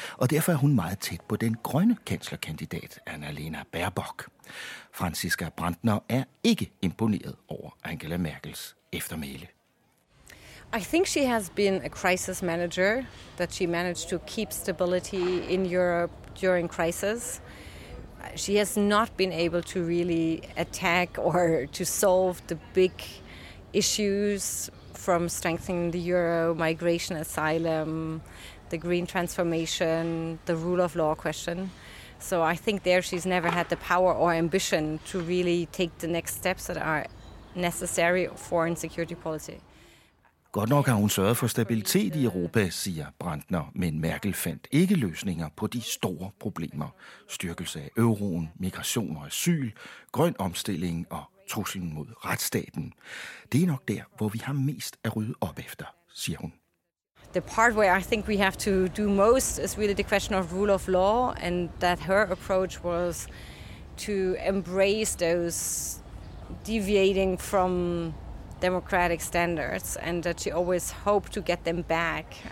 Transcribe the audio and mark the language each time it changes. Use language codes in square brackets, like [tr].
[da] Og derfor er hun meget tæt på den grønne kanslerkandidat, Annalena Baerbock. Franziska Brandner er ikke imponeret over Angela Merkels eftermæle. [en] I think she has been a crisis manager, that she managed to keep stability in Europe during crisis. She has not been able to really attack or to solve the big issues from strengthening the euro, migration, asylum, the green transformation, the rule of law question. So I think there she's never had the power or ambition to really take the next steps that are necessary for foreign security policy. [da] Godt nok har hun sørget for stabilitet i Europa, siger Brandner, men Merkel fandt ikke løsninger på de store problemer. Styrkelse af euroen, migration og asyl, grøn omstilling og truslen mod retsstaten. Det er nok der, hvor vi har mest at rydde op efter, siger hun. [en] The part where I think we have to do most is really the question of rule of law, and that her approach was to embrace those deviating from democratic standards, and that she always hoped to get them back,